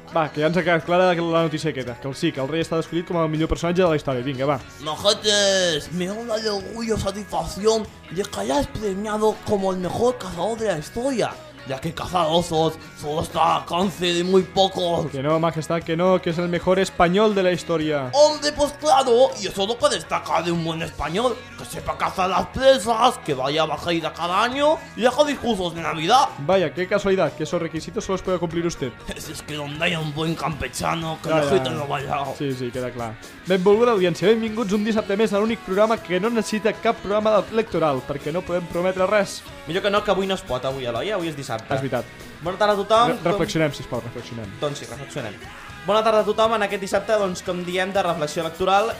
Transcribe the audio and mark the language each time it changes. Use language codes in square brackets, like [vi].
[ca] Va, que ja ens ha quedat clara la notícia aquesta, que el sí, que el rei està escollit com el millor personatge de la història. Vinga, va. [es] Majetes, me da una orgullo satisfacción de que hayas premiado como el mejor cazador de la historia, ya que cazar osos solo está a alcance de muy pocos. Que no, majestad, que no, que es el mejor español de la historia. Hombre, pues claro, y eso es lo que destaca de un buen español, que sepa cazar las presas, que vaya a bajeida cada año y haga discursos de Navidad. Vaya, qué casualidad, que esos requisitos solo los puede cumplir usted. Es que donde haya un buen campechano, que claro, mejor te lo vaya. Sí, sí, queda claro. [ca] Benvolguda audiencia, benvinguts un dissabte més a l'únic programa que no necessita cap programa electoral, perquè no podem prometre res. Millor que no, que avui no es pot, avui, Eloi, avui és dissabte. És veritat. Bona tarda a tothom. Reflexionem, sisplau, reflexionem. Doncs sí, reflexionem. Bona tarda a tothom en aquest dissabte, doncs, com diem, de reflexió electoral.